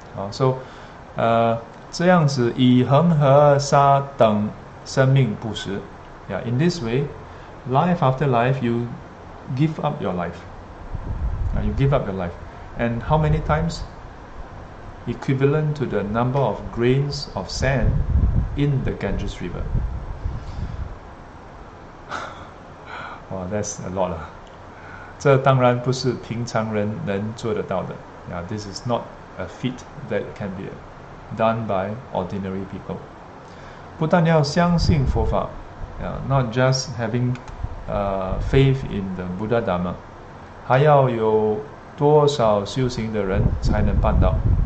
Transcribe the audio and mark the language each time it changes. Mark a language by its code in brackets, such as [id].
[en] So [zh] 这样子以恒河沙等生命不失, [en] yeah, in this way, life after life, you give up your life. You give up your life. And how many times? Equivalent to the number of grains of sand in the Ganges River. Wow, that's a lot. [zh] 这当然不是平常人能做得到的. [en] Yeah, this is not a feat that can be done by ordinary people. [zh] 不但要相信佛法, [en] yeah, not just having faith in the Buddha Dharma, [zh] 还要有多少修行的人才能办到.